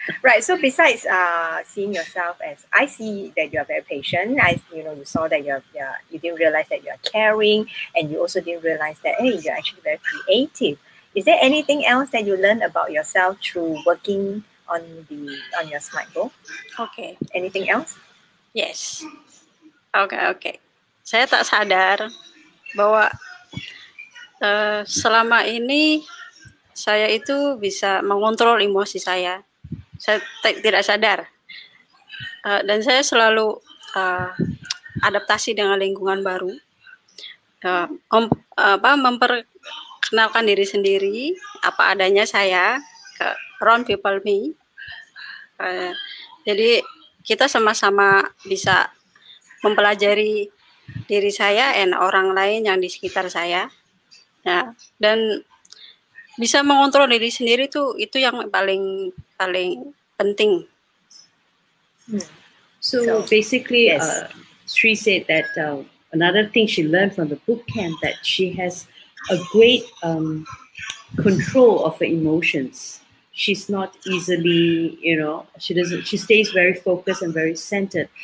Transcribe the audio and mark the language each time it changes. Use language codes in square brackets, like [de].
[en] Right. So besides seeing yourself as, I see that you are very patient. You saw that you didn't realize that you are caring, and you also didn't realize that, hey, you're actually very creative. Is there anything else that you learn about yourself through working on your SMART goal? Okay. Anything else? Yes. Okay. [id] Saya tak sadar bahwa selama ini saya itu bisa mengontrol emosi saya. Saya tidak sadar. Dan saya selalu adaptasi dengan lingkungan baru. Kenalkan diri sendiri, apa adanya saya, ke [en] around people me. [id] Jadi kita sama-sama bisa mempelajari diri saya and orang lain yang di sekitar saya. Ya. Dan bisa mengontrol diri sendiri itu yang paling paling penting. [en] So basically, Sri said that another thing she learned from the boot camp that she has a great control of her emotions. She's not easily, she stays very focused and very centered.